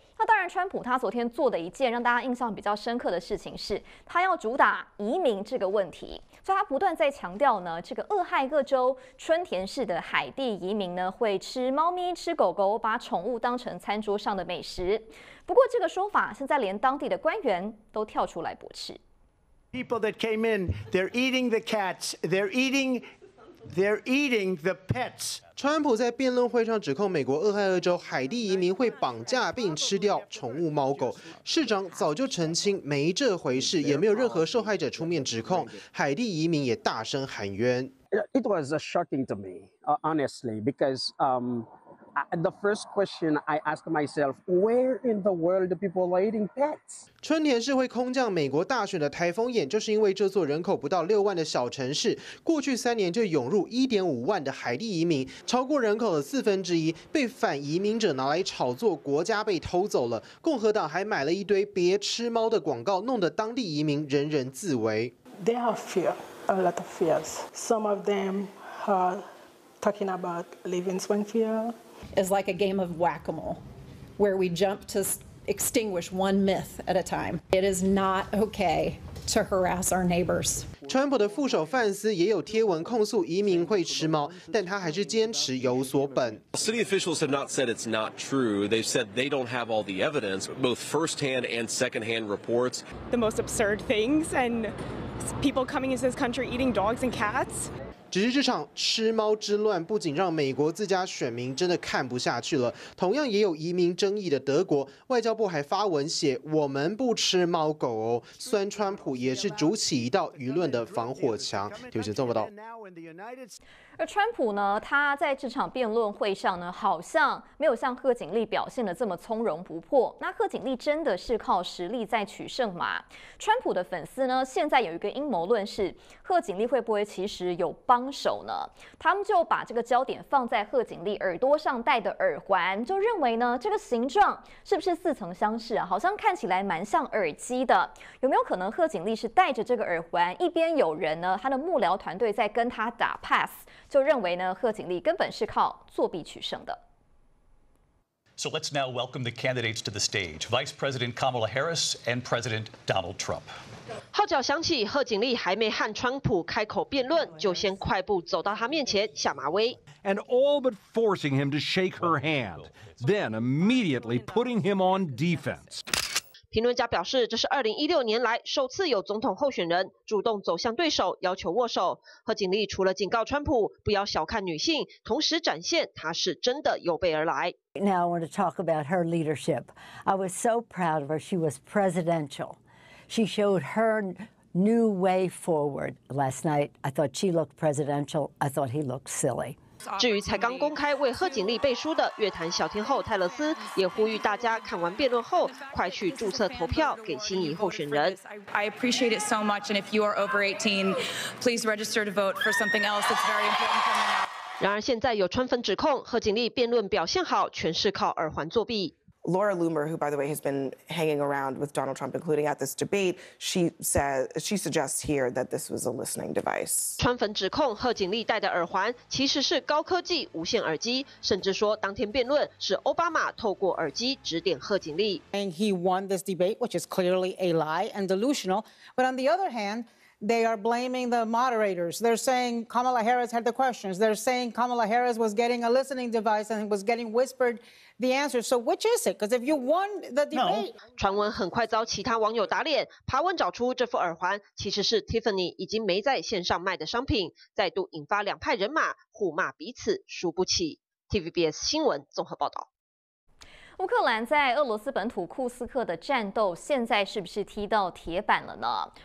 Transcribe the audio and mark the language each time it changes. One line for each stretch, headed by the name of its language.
Chinese: 那当然，川普他昨天做的一件让大家印象比较深刻的事情是，他要主打移民这个问题，所以他不断在强调呢，这个俄亥俄州春田市的海地移民呢，会吃猫咪、吃狗狗，把宠物当成餐桌上的美食。不过，这个说法现在连当地的官员都跳出来驳斥。
English: People that came in, they're eating the cats. They're eating the pets.
Chinese: 川普在辩论会上指控美国俄亥俄州海地移民会绑架并吃掉宠物猫狗，市长早就澄清没这回事，也没有任何受害者出面指控，海地移民也大声喊冤。
English: It was shocking to me, honestly, because the first question I ask myself, where in the world do people are eating pets?
Chinese: 春田市会空降美国大选的台风眼，就是因为这座人口不到60,000的小城市，过去三年就涌入15,000的海地移民，超过人口的1/4，被反移民者拿来炒作，国家被偷走了。共和党还买了一堆别吃猫的广告，弄得当地移民人人自危。
English: There are fear, a lot of fears. Some of them are talking about living Springfield. Is like a game of whack-a-mole, where we jump to extinguish one myth at a time. It is not okay to harass our neighbors.
Chinese: 川普的副手范斯也有贴文控诉移民会吃猫，但他还是坚持有所本。
English: City officials have not said it's not true. They've said they don't have all the evidence, both first-hand and second-hand reports. The most absurd things and people coming into this country eating dogs and cats.
Chinese: 只是这场吃猫之乱不仅让美国自家选民真的看不下去了，同样也有移民争议的德国外交部还发文写我们不吃猫狗哦，酸川普也是筑起一道舆论的防火墙。有请做不到。而川普呢，他在这场辩论会上呢，好像没有像贺锦丽表现的这么从容不迫。那贺锦丽真的是靠实力在取胜吗？川普的粉丝呢，现在有一个阴谋论是，贺锦丽会不会其实有帮手呢？他们就把这个焦点放在贺锦丽耳朵上戴的耳环，就认为呢，这个形状是不是似曾相识啊？好像看起来蛮像耳机的，有没有可能贺锦丽是戴着这个耳环，一边有人呢，他的幕僚团队在跟他打 pass？就认为呢，贺锦丽根本是靠作弊取胜的。
English: So let's now welcome the candidates to the stage, Vice President Kamala Harris and President Donald Trump.
Chinese: 号角响起，贺锦丽还没和川普开口辩论，就先快步走到他面前下马威。
English: And all but forcing him to shake her hand, then immediately putting him on defense.
Chinese: 评论家表示，这是2016年来首次有总统候选人主动走向对手要求握手。贺锦丽除了警告川普不要小看女性，同时展现她是真的有备而来。
English: Now I want to talk about her leadership. I was so proud of her. She was presidential. She showed her new way forward last night. I thought she looked presidential. I thought he looked silly.
Chinese: 至于才刚公开为贺锦丽背书的乐坛小天后泰勒斯，也呼吁大家看完辩论后快去注册投票给心仪候选人。
English: I appreciate it so much, and if you are over 18, please register to vote for something else. It's very important coming up.
Chinese: 然而现在有川粉指控贺锦丽辩论表现好，全是靠耳环作弊。
English: Laura Loomer, who by the way has been hanging around with Donald Trump, including at this debate, she suggests here that this was a listening device.
Chinese: 川粉指控贺锦丽戴的耳环其实是高科技无线耳机，甚至说当天辩论是奥巴马透过耳机指点贺锦丽。
English: And he won this debate, which is clearly a lie and delusional. But on the other hand, they are blaming the moderators. They're saying Kamala Harris had the questions. They're saying Kamala Harris was getting a listening device and was getting whispered. The answer. So which is it? Because if you won the debate,
Chinese: 传闻很快遭其他网友打脸。爬文找出这副耳环其实是 Tiffany 已经没在线上卖的商品，再度引发两派人马互骂彼此输不起。 TVBS 新闻综合报道。乌克兰在俄罗斯本土库斯克的战斗现在是不是踢到铁板了呢？